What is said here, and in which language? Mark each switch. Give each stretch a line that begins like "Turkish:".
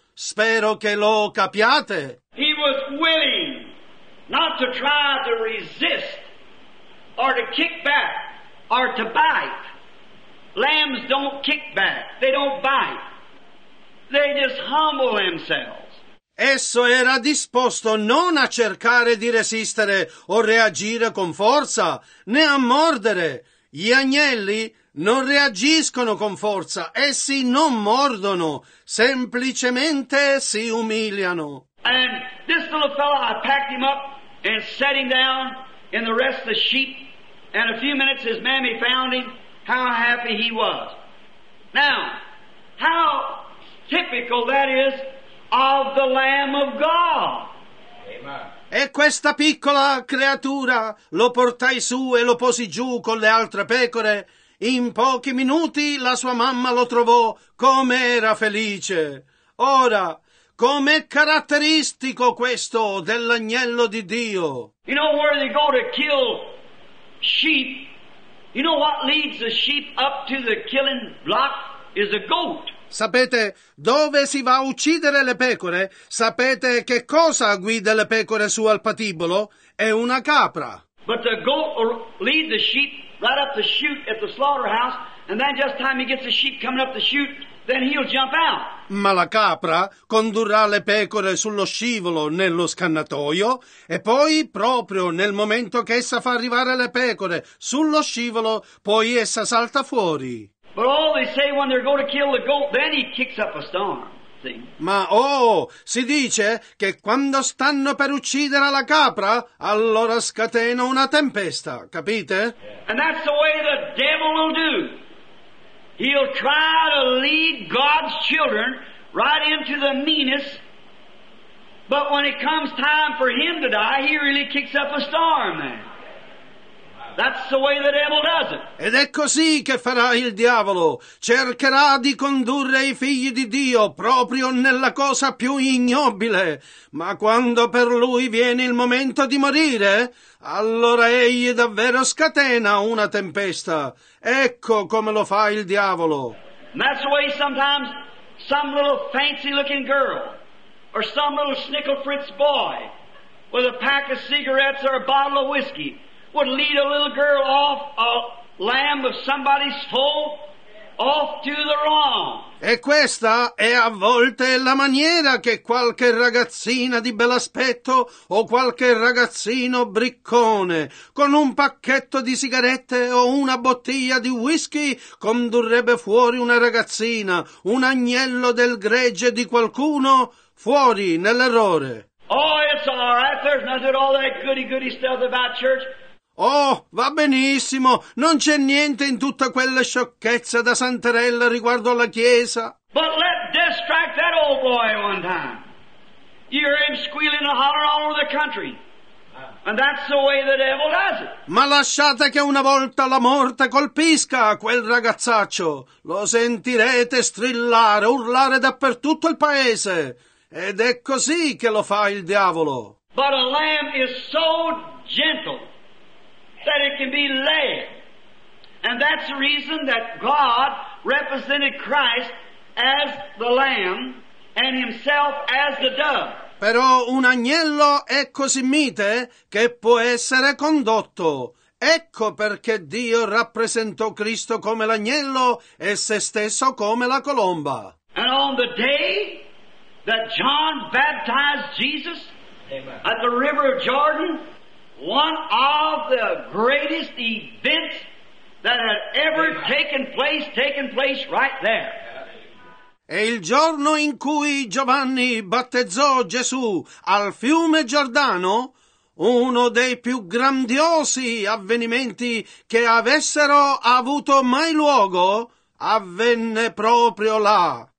Italian: Spero che lo capiate.
English: He was willing not to try to resist or to kick back or to bite. Lambs don't kick back, they don't bite. They just humble themselves.
Italian: Esso era disposto non a cercare di resistere o reagire con forza, né a mordere. Gli agnelli non reagiscono con forza, essi non mordono, semplicemente si umiliano.
English: And this little fellow, I packed him up and set him down in the rest of the sheep, and a few minutes his mammy found him, how happy he was. Now, how typical that is of the Lamb of God.
Italian: E questa piccola creatura lo portai su e lo posi giù con le altre pecore. In pochi minuti la sua mamma lo trovò, com'era felice. Ora, com'è caratteristico questo dell'agnello di Dio?
English: You know where they go to kill sheep You know what leads the sheep up to the killing block is a goat.
Italian: Sapete dove si va a uccidere le pecore? Sapete che cosa guida le pecore su al patibolo? È una capra.
English: But the goat leads the sheep right up the chute at the slaughterhouse, and then just time he gets the sheep coming up the chute, then he'll jump out.
Italian: Ma la capra condurrà le pecore sullo scivolo nello scannatoio e poi, proprio nel momento che essa fa arrivare le pecore sullo scivolo, poi essa salta fuori.
English: But all they say when they're going to kill the goat, then he kicks up a storm.
Italian: Ma si dice che quando stanno per uccidere la capra, allora scatena una tempesta, capite?
English: And that's the way the devil will do. He'll try to lead God's children right into the meanest, but when it comes time for him to die, he really kicks up a storm, man. That's the way the devil does it.
Italian: Ed è così che farà il diavolo. Cercherà di condurre i figli di Dio proprio nella cosa più ignobile. Ma quando per lui viene il momento di morire, allora egli davvero scatena una tempesta. Ecco come lo fa il diavolo.
English: And that's the way sometimes some little fancy looking girl or some little snickle fritz boy with a pack of cigarettes or a bottle of whiskey would lead a little girl off a lamb of somebody's fold off to the wrong.
Italian: E questa è a volte la maniera che qualche ragazzina di bell'aspetto o qualche ragazzino briccone con un pacchetto di sigarette o una bottiglia di whisky condurrebbe fuori una ragazzina, un agnello del gregge di qualcuno, fuori nell'errore.
English: Oh, it's all right. There's nothing at all that goody-goody stuff about church.
Italian: Oh, va benissimo, non c'è niente in tutta quella sciocchezza da santarella riguardo alla chiesa.
English: But let distract that old boy one time. You hear him squealing and hollering all over the country. And that's the way the devil does it.
Italian: Ma lasciate che una volta la morte colpisca quel ragazzaccio. Lo sentirete strillare, urlare dappertutto il paese. Ed è così che lo fa il diavolo.
English: But a lamb is so gentle that it can be led. And that's the reason that God represented Christ as the lamb and himself as the dove.
Italian: Però un agnello è così mite che può essere condotto. Ecco perché Dio rappresentò Cristo come l'agnello e se stesso come la colomba.
English: And on the day that John baptized Jesus, amen, at the river of Jordan, one of the greatest events that had ever taken place right there.
Italian: E il giorno in cui Giovanni battezzò Gesù al fiume Giordano, uno dei più grandiosi avvenimenti che avessero avuto mai luogo, avvenne proprio là.